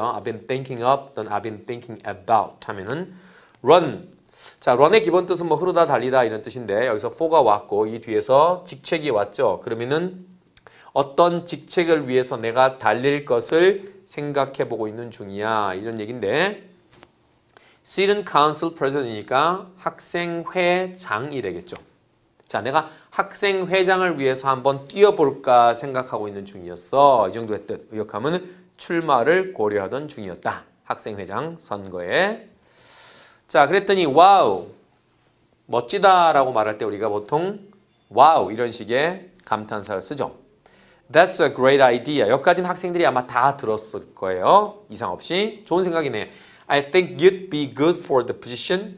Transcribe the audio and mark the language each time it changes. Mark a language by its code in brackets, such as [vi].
[en] I've been thinking of [ko] 또는 [en] I've been thinking about [ko] 하면은 [en] run. [ko] 자, run의 기본 뜻은 뭐 흐르다 달리다 이런 뜻인데 여기서 for가 왔고 이 뒤에서 직책이 왔죠. 그러면은 어떤 직책을 위해서 내가 달릴 것을 생각해 보고 있는 중이야 이런 얘기인데 [en] student council president [ko] 이니까 학생회장이 되겠죠. 자, 내가 학생회장을 위해서 한번 뛰어볼까 생각하고 있는 중이었어. 이 정도의 뜻. 의역하면 출마를 고려하던 중이었다. 학생회장 선거에. 자, 그랬더니 와우, 멋지다 라고 말할 때 우리가 보통 와우 이런 식의 감탄사를 쓰죠. [en] That's a great idea. [ko] 여기까지는 학생들이 아마 다 들었을 거예요. 이상 없이. 좋은 생각이네. [en] I think you'd be good for the position.